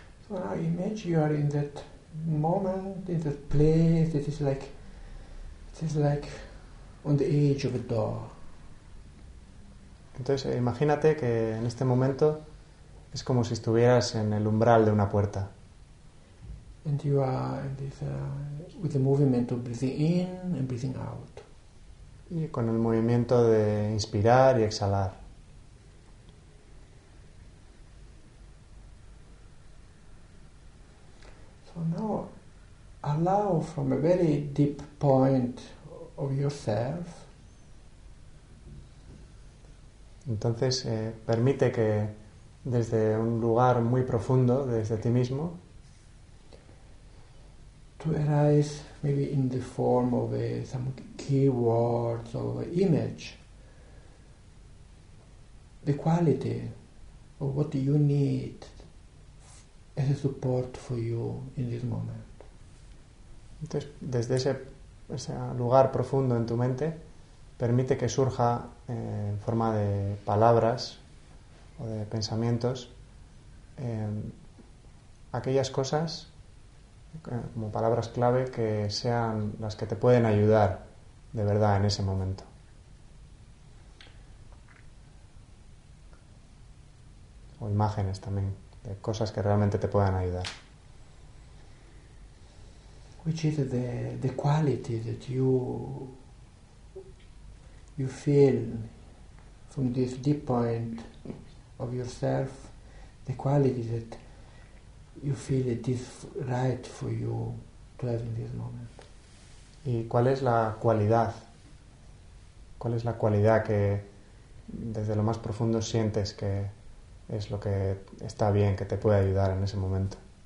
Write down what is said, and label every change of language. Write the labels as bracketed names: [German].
[English] Imagine you are in that moment, in that place, it is like on the edge of a door. [Spanish] Entonces, imagínate que en este momento es como si estuvieras en el umbral de una puerta. [English] And you are in this, with the movement of breathing in and breathing out. [Spanish] Y con el movimiento de inspirar y exhalar. [English] Allow from a very deep point of yourself. [Spanish] Entonces, permite que desde un lugar muy profundo, desde ti mismo, [English] to arise maybe in the form of some keywords or image, the quality of what you need as a support for you in this moment. [Spanish] Entonces, desde ese lugar profundo en tu mente, permite que surja en forma de palabras o de pensamientos aquellas cosas, como palabras clave, que sean las que te pueden ayudar de verdad en ese momento. O imágenes también, de cosas que realmente te puedan ayudar. [English] Which is the quality that you feel from this deep point of yourself, the quality that you feel it is right for you to have in this moment. [Spanish] ¿Y cuál es la cualidad? ¿Cuál es la cualidad que desde lo más profundo sientes que es lo que está bien, que te puede ayudar en ese momento?